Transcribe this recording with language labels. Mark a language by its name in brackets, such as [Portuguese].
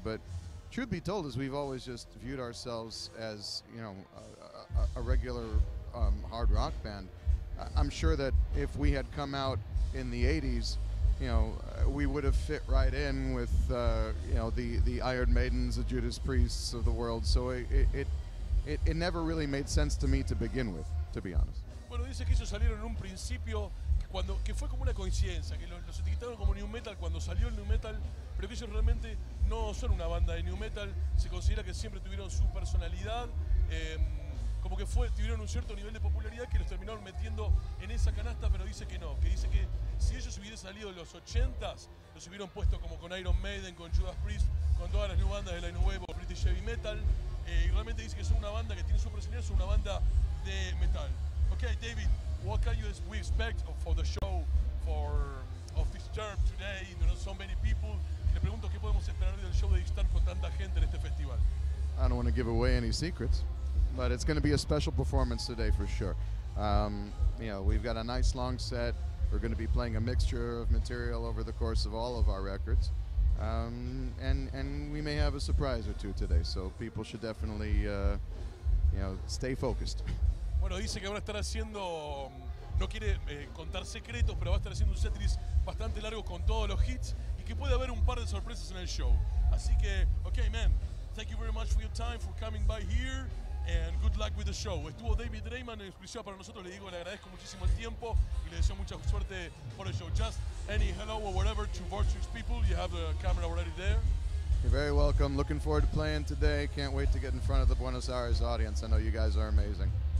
[English] But truth be told, is we've always just viewed ourselves as, you know, a regular hard rock band. I'm sure that if we had come out in the 80s, you know, we would have fit right in with you know, the Iron Maidens, the Judas Priests of the world. So it never really made sense to me to begin with, to be honest. [Spanish] Bueno, dice que ellos salieron en un principio que fue como una coincidencia, que los etiquetaron como new metal cuando salió el new metal, pero que ellos realmente no son una banda de new metal. Se considera que siempre tuvieron su personalidad, como que tuvieron un cierto nivel de popularidad que los terminaron metiendo en esa canasta, pero dice que no, que dice que si ellos hubieran salido en los 80s, los hubieran puesto como con Iron Maiden, con Judas Priest, con todas las new bandas de la new wave o British heavy metal, y realmente dice que son una banda que tiene su personalidad, son una banda de metal. [English] Okay, David, what can we expect for the show of Disturbed today? There are so many people. [Spanish] Y le pregunto qué podemos esperar del show de Disturbed con tanta gente en este festival. [English] I don't want to give away any secrets, but it's going to be a special performance today for sure. You know, we've got a nice long set. We're going to be playing a mixture of material over the course of all of our records. And we may have a surprise or two today, so people should definitely, you know, stay focused. [Spanish] Bueno, dice que van a estar haciendo, no quiere contar secretos, pero va a estar haciendo un setlist bastante largo con todos los hits y que puede haber un par de sorpresas en el show. Así que, [English] okay, man, thank you very much for your time, for coming by here, and good luck with the show. [Spanish] Estuvo David Drayman en exclusiva para nosotros, le digo, le agradezco muchísimo el tiempo y le deseo mucha suerte por el show. [English] Just any hello or whatever to Vorterix people, you have the camera already there. You're very welcome, looking forward to playing today, can't wait to get in front of the Buenos Aires audience, I know you guys are amazing.